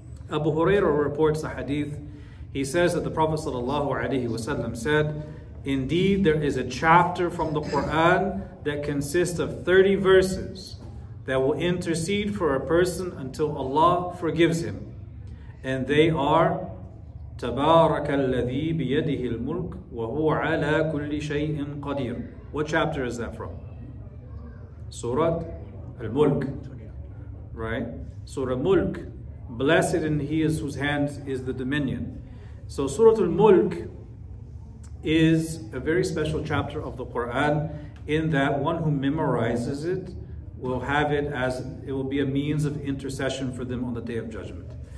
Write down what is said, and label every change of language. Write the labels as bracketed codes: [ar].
[en] Abu Hurairah reports a hadith. He says that the Prophet sallallahu alaihi wasallam said, indeed, there is a chapter from the Qur'an that consists of 30 verses that will intercede for a person until Allah forgives him. And they are, [ar] تَبَارَكَ الَّذِي بِيَدِهِ الْمُلْكِ وَهُوَ عَلَىٰ كُلِّ شَيْءٍ قَدِيرٌ. [en] What chapter is that from? Surah Al-Mulk. Right? Surah Mulk. Blessed in He is whose hands is the dominion. So Surah Al-Mulk is a very special chapter of the Qur'an, in that one who memorizes it will have it as, it will be a means of intercession for them on the Day of Judgment.